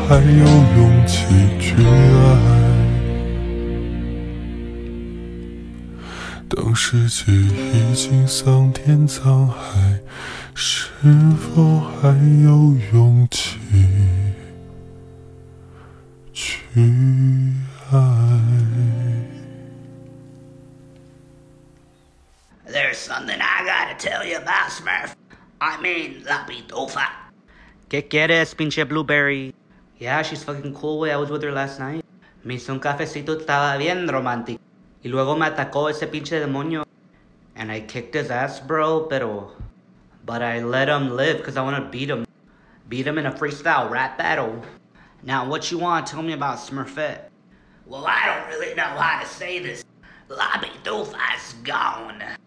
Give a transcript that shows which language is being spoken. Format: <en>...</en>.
<zh>却不知那份爱会不会还在，有多少爱可以重来，有多少人值得等待，当世界已经桑田沧海，是否还有勇气去爱。</zh> <en>There's something I gotta tell you about, Smurf. I mean, la Pitufa.</en> <es>¿Qué quieres, pinche blueberry?</es> <en>Yeah, she's fucking cool. I was with her last night.</en> <es>Me hizo un cafecito, estaba bien romántico. Y luego me atacó ese pinche demonio.</es> <en>And I kicked his ass, bro, pero... But I let him live, because I want to beat him. Beat him in a freestyle rap battle. Now, what you want, tell me about Smurfette. Well, I don't really know how to say this. La Pitufa's gone.</en>